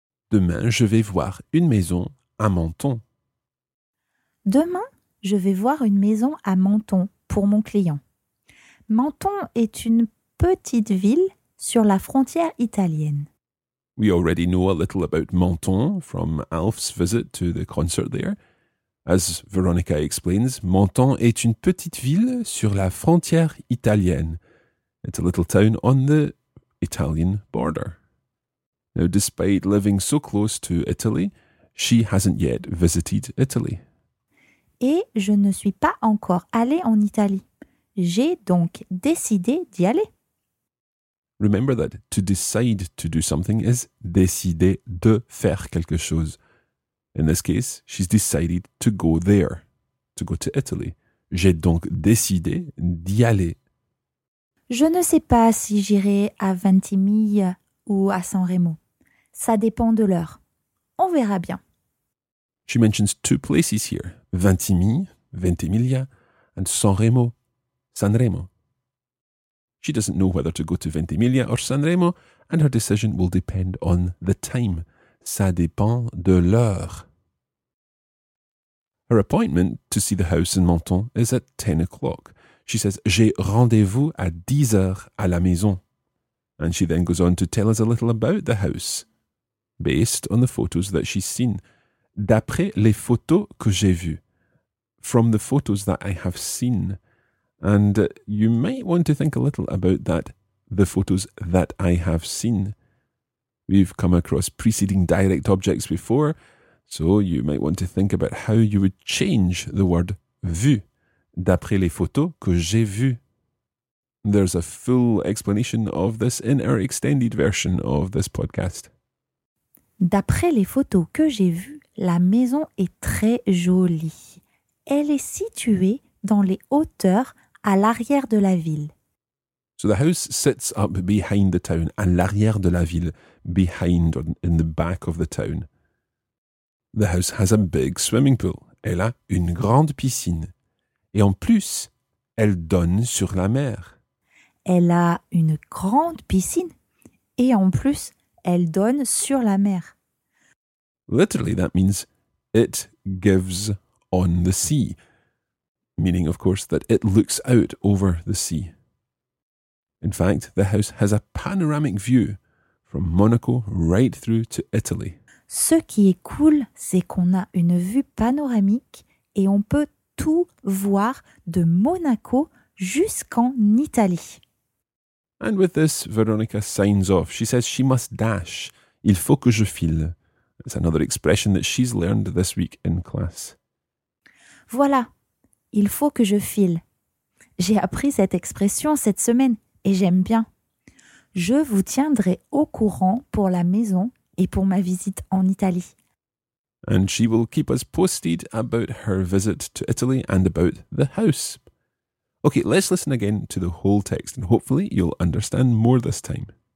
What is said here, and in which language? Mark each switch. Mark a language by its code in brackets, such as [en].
[fr] Demain, je vais voir une maison à Menton. Demain, je vais voir une maison à Menton pour mon client. Menton est une petite ville sur la frontière italienne. [en] We already know a little about Menton from Alf's visit to the concert there. As Veronica explains, [fr] Menton est une petite ville sur la frontière italienne. [en] It's a little town on the Italian border. Now, despite living so close to Italy, she hasn't yet visited Italy. [fr] et je ne suis pas encore allée en Italie. J'ai donc décidé d'y aller. [en] Remember that to decide to do something is [fr] décider de faire quelque chose. [en] In this case, she's decided to go there, to go to Italy. [fr] J'ai donc décidé d'y aller. Je ne sais pas si j'irai à Ventimiglia ou à San Remo. Ça dépend de l'heure. On verra bien. [en] She mentions two places here. Ventimiglia and San Remo. She doesn't know whether to go to Ventimiglia or San Remo, and her decision will depend on the time. [fr] Ça dépend de l'heure. [en] Her appointment to see the house in Menton is at 10 o'clock. She says, [fr] j'ai rendez-vous à 10 heures à la maison. [en] And she then goes on to tell us a little about the house, based on the photos that she's seen. [fr] D'après les photos que j'ai vues. [en] From the photos that I have seen. And you might want to think a little about that, the photos that I have seen. We've come across preceding direct objects before, so you might want to think about how you would change the word vu, [fr] d'après les photos que j'ai vues. [en] There's a full explanation of this in our extended version of this podcast. [fr] D'après les photos que j'ai vues, la maison est très jolie. Elle est située dans les hauteurs à l'arrière de la ville. [en] So the house sits up behind the town, [fr] à l'arrière de la ville, [en] behind or in the back of the town. The house has a big swimming pool. [fr] Elle a une grande piscine. Et en plus, elle donne sur la mer. Elle a une grande piscine. Et en plus, elle donne sur la mer. [en] Literally, that means it gives on the sea. Meaning, of course, that it looks out over the sea. In fact, the house has a panoramic view from Monaco right through to Italy. [fr] Ce qui est cool, c'est qu'on a une vue panoramique et on peut tout voir de Monaco jusqu'en Italie. [en] And with this, Veronica signs off. She says she must dash. [fr] Il faut que je file. [en] It's another expression that she's learned this week in class. [fr] Voilà. Il faut que je file. J'ai appris cette expression cette semaine et j'aime bien. Je vous tiendrai au courant pour la maison et pour ma visite en Italie. [en] And she will keep us posted about her visit to Italy and about the house. Okay, let's listen again to the whole text and hopefully you'll understand more this time.